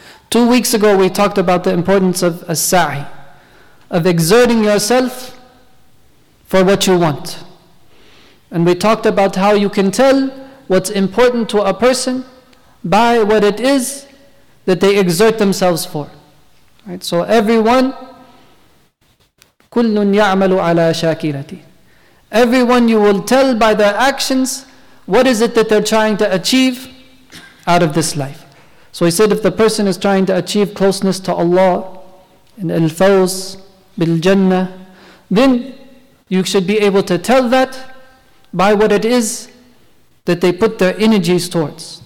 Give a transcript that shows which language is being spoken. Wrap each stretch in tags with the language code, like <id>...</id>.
<en>2 weeks ago, we talked about the importance of as-sa'i, of exerting yourself for what you want. And we talked about how you can tell what's important to a person by what it is that they exert themselves for. Right? So everyone,</en> <ar>كُلٌّ يَعْمَلُ عَلَى شَاكِرَتِي.</ar> <en>Everyone you will tell by their actions what is it that they're trying to achieve out of this life. So he said if the person is trying to achieve closeness to Allah in al-fawz bil-jannah, then you should be able to tell that by what it is that they put their energies towards.</en>